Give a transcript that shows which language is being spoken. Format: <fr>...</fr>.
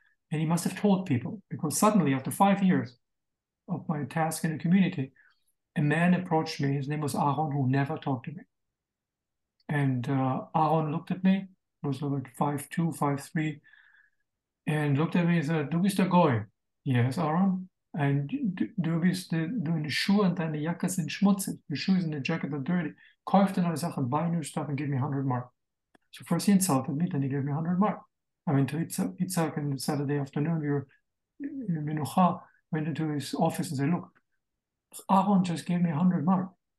<en>And he must have told people, because suddenly, after 5 years of my task in the community, a man approached me. His name was Aaron, who never talked to me. And Aaron looked at me. He was about 5'2", 5'3", and looked at me and said, "Du bist der Goy." "Yes, Aaron."</en> <de>"And du bist in the Schuhe und deine Jacke sind schmutzig.</de> <en>Your shoes and the jacket are dirty. Kauf dir neue Sachen, buy new stuff and give me 100 mark." So first he insulted me, then he gave me 100 mark. I went to Itzhak on Saturday afternoon. We were in Minucha, went into his office and said, "Look, Aaron just gave me 100 mark.</en>